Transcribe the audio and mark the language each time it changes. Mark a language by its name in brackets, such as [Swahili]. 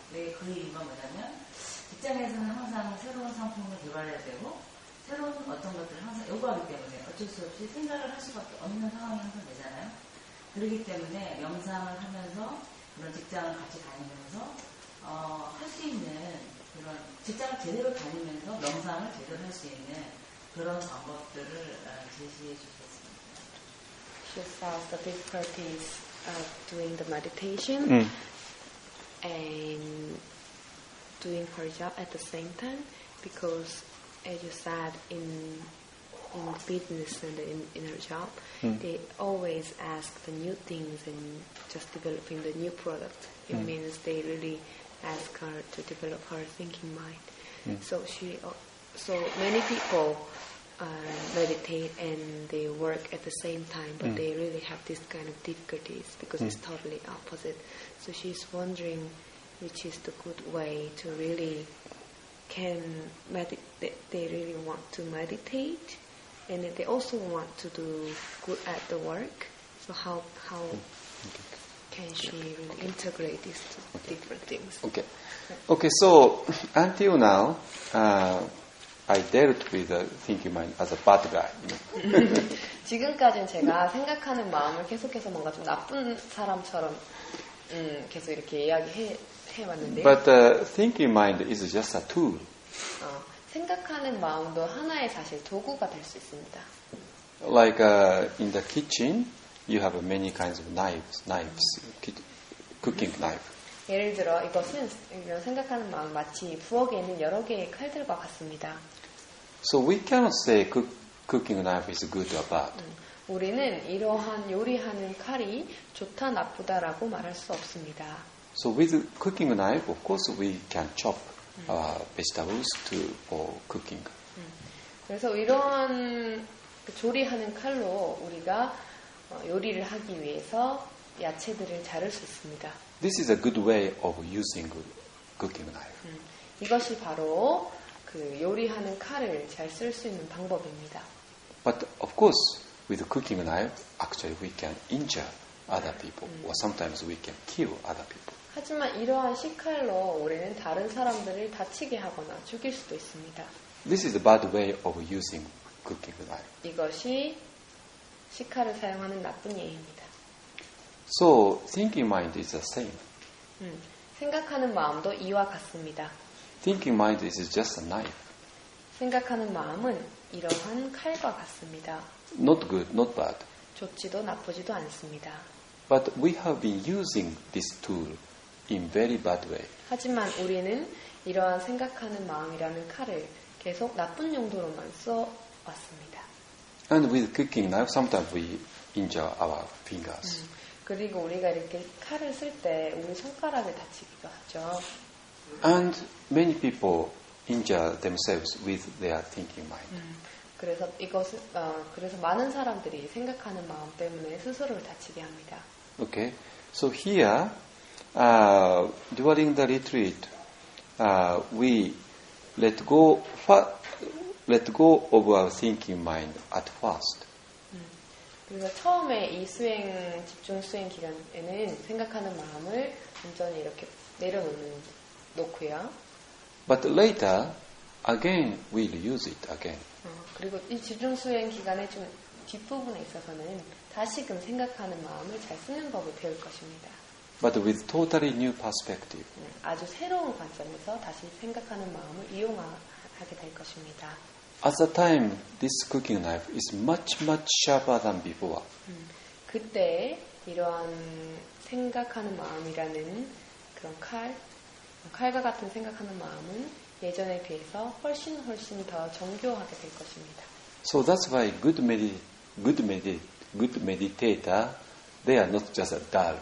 [Korean] 왜 그 이유가 뭐냐면 직장에서는 항상 새로운 상품을 개발해야 되고 새로운 어떤 것들을 항상 요구하기 때문에 어쩔 수 없이 생각을 할 수밖에 없는 상황이 항상 되잖아요. 그렇기 때문에 명상을 하면서 그런 직장을 같이 다니면서 할 수 있는 그런 직장을 제대로 다니면서 명상을 제대로 할 수 있는 그런 방법들을 제시해 주셨습니다. [English] She says the difficulties of doing the meditation and doing her job at the same time because as you said, in business and in her job, they always ask the new things and just developing the new product. It means they really ask her to develop her thinking mind. Mm. So many people meditate and they work at the same time, but they really have this kind of difficulties because it's totally opposite. So she's wondering which is the good way to really can meditate, they really want to meditate, and they also want to do good at the work. So how can she integrate these two different things? Okay, so until now, I dealt with the thinking mind as a bad guy. [Korean] 지금까지는 제가 생각하는 마음을 계속해서 뭔가 좀 나쁜 사람처럼 계속 이렇게 이야기해왔는데. [English] But thinking mind is just a tool. [Korean] 생각하는 마음도 하나의 사실 도구가 될 수 있습니다. [English] Like in the kitchen, you have many kinds of knives, cooking knife. [Korean] 예를 들어 이것은 생각하는 마음 마치 부엌에 있는 여러 개의 칼들과 같습니다. [English] So we cannot say cooking knife is good or bad. [Korean] 우리는 이러한 요리하는 칼이 좋다 나쁘다라고 말할 수 없습니다. [English] So with cooking knife, of course, we can chop. Vegetables for cooking. [Korean] 그래서 이러한 조리하는 칼로 우리가 요리를 하기 위해서 야채들을 자를 수 있습니다. [English] This is a good way of using cooking knife. [Korean] 이것이 바로 그 요리하는 칼을 잘 쓸 수 있는 방법입니다. [English] But of course, with cooking knife, actually we can injure other people, or sometimes we can kill other people. [Korean] 하지만 이러한 시칼로 우리는 다른 사람들을 다치게 하거나 죽일 수도 있습니다. [English] This is a bad way of using cookie knife. [Korean] 이것이 시칼을 사용하는 나쁜 예입니다. [English] So thinking mind is the same. [Korean] 생각하는 마음도 이와 같습니다. [English] Thinking mind is just a knife. [Korean] 생각하는 마음은 이러한 칼과 같습니다. [English] Not good, not bad. [Korean] 좋지도 나쁘지도 않습니다. [English] But we have been using this tool in very bad way. [Korean] 하지만 우리는 이러한 생각하는 마음이라는 칼을 계속 나쁜 용도로만 써 왔습니다. [English] And with cooking knife, sometimes we injure our fingers. [Korean] 그리고 우리가 이렇게 칼을 쓸 때 우리 손가락에 다치기도 하죠. [English] And many people injure themselves with their thinking mind. [Korean] 그래서 많은 사람들이 생각하는 마음 때문에 스스로를 다치게 합니다. [English] Okay, so here, during the retreat, we let go of our thinking mind at first. [Korean] 그래서 처음에 이 수행 집중 수행 기간에는 생각하는 마음을 완전히 이렇게 내려놓고요. [English] But later, again, we'll use it again. [Korean] 그리고 이 집중 수행 기간의 좀 뒷부분에 있어서는 다시금 생각하는 마음을 잘 쓰는 법을 배울 것입니다. [English] But with totally new perspective. [Korean] 아주 새로운 관점에서 다시 생각하는 마음을 이용하게 될 것입니다. [English] At the time, this cooking knife is much, much sharper than before. [Korean] 그때 이러한 생각하는 마음이라는 그런 칼과 같은 생각하는 마음은 예전에 비해서 훨씬 훨씬 더 정교하게 될 것입니다. [English] So that's why good meditator, they are not just dull.